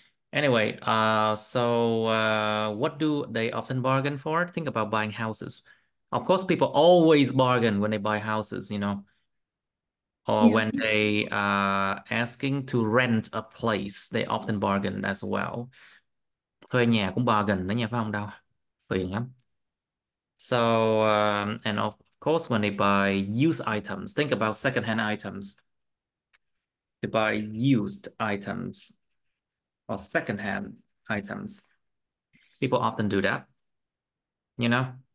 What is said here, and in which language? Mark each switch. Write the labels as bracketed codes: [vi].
[en] Anyway, what do they often bargain for? Think about buying houses. Of course, people always bargain when they buy houses, you know, or Yeah. when they are asking to rent a place, they often bargain as well. [vi] Thuê nhà cũng bargain đó nha, phải không đâu? Phiền lắm. [en] So, and of course, when they buy used items, think about secondhand items. They buy used items. Or secondhand items. People often do that. You know?